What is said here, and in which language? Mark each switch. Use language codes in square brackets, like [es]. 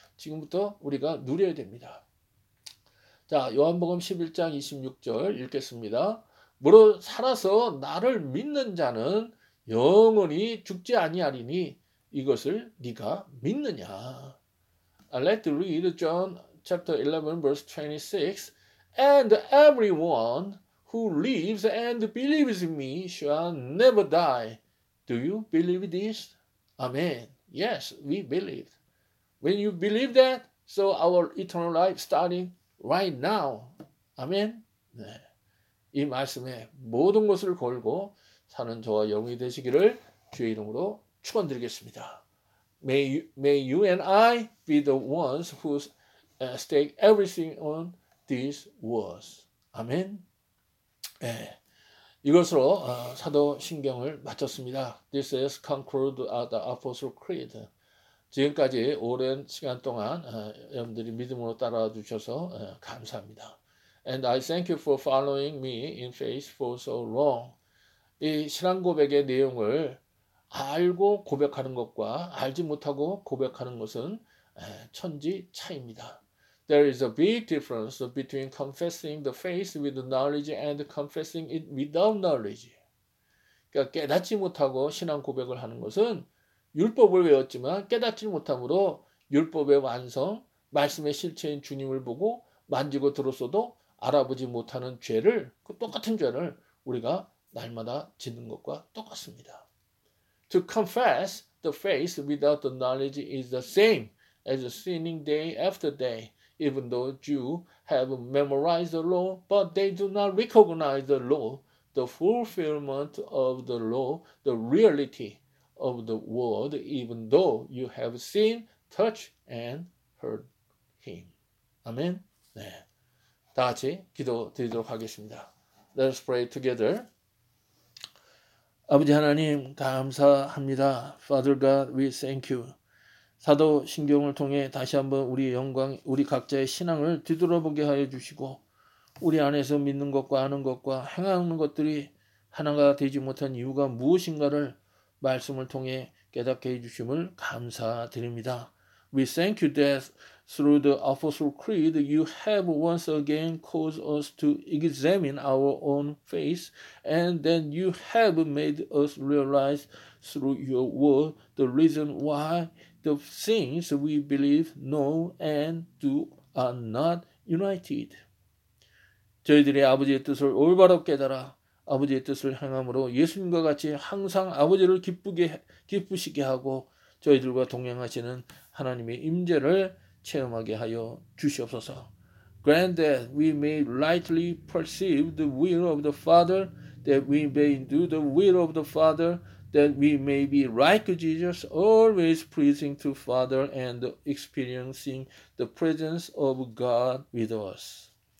[ko] 지금부터 우리가 누려야 됩니다. 자, 요한복음 11장 26절 읽겠습니다. 무릇 살아서 나를 믿는 자는 영원히 죽지 아니하리니 이것을 네가 믿느냐. [en] I'd like to read John chapter 11 verse 26. And everyone who lives and believes in me shall never die. Do you believe this? Amen. Yes, we believe. When you believe that, so our eternal life starting right now. Amen. [ko] 네. 이 말씀에 모든 것을 걸고 사는 저와 영이 되시기를 주의 이름으로 축원드리겠습니다. [en] May you and I be the ones who stake everything on these words. Amen. [ko] 네. 이것으로 사도 신경을 마쳤습니다. [en] This is conclude the Apostle Creed. [ko] 지금까지 오랜 시간 동안 여러분들이 믿음으로 따라와 주셔서 감사합니다. [en] And I thank you for following me in faith for so long. [ko] 이 신앙 고백의 내용을 알고 고백하는 것과 알지 못하고 고백하는 것은 천지 차이입니다. [en] There is a big difference between confessing the faith with knowledge and confessing it without knowledge. [ko] 그러니까 깨닫지 못하고 신앙 고백을 하는 것은 율법을 외웠지만 깨닫지 못함으로 율법의 완성, 말씀의 실체인 주님을 보고 만지고 들었어도 알아보지 못하는 죄를, 그 똑같은 죄를 우리가 날마다 짓는 것과 똑같습니다. [en] To confess the faith without the knowledge is the same as sinning day after day, even though Jews have memorized the law, but they do not recognize the law, the fulfillment of the law, the reality of the world, even though you have seen, touched, and heard him. Amen. [ko] 네. 다 같이 기도드리도록 하겠습니다. [en] Let us pray together. [ko] 아버지 하나님 감사합니다. [en] Father God, we thank you. [ko] 사도 신경을 통해 다시 한번 우리 영광, 우리 각자의 신앙을 뒤돌아보게 하여 주시고 우리 안에서 믿는 것과 하는 것과 행하는 것들이 하나가 되지 못한 이유가 무엇인가를 말씀을 통해 깨닫게 해주심을 감사드립니다. [en] We thank you that through the Apostle Creed, you have once again caused us to examine our own faith, and then you have made us realize through your word the reason why the things we believe, know, and do are not united. [ko] 저희들이 아버지의 뜻을 올바로 깨달아 아버지의 뜻을 행함으로 예수님과 같이 항상 아버지를 기쁘시게 하고 저희들과 동행하시는 하나님의 임재를 체험하게 하여 주시옵소서. [en] Grant that we may rightly perceive the will of the Father, that we may do the will of the Father, that we may be like Jesus, always pleasing to Father and experiencing the presence of God with us.